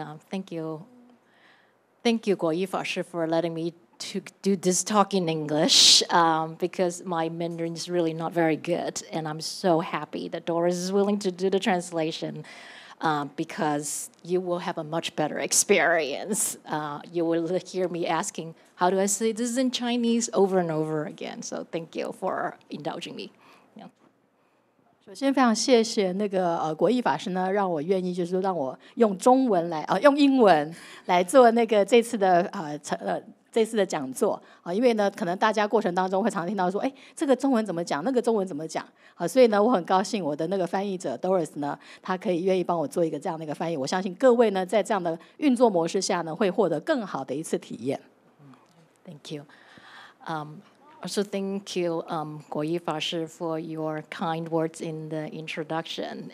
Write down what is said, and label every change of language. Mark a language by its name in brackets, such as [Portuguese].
[English] Thank you 国义法师 for letting me to do this talk in English, because my Mandarin is really not very good, and I'm so happy that Doris is willing to do the translation, because you will have a much better experience. You will hear me asking, how do I say this in Chinese over and over again? So thank you for indulging me. [Chinese] 首先非常谢谢那个国义法师呢，让我愿意就是让我用中文来用英文来做那个这次的这次的讲座啊，因为呢可能大家过程当中会常听到说，哎，这个中文怎么讲，那个中文怎么讲啊，所以呢我很高兴我的那个翻译者 Doris 呢，他可以愿意帮我做一个这样的一个翻译，我相信各位呢在这样的运作模式下呢会获得更好的一次体验。 [English] Thank you. Also, thank you, Guo Yi Fashi, for your kind words in the introduction.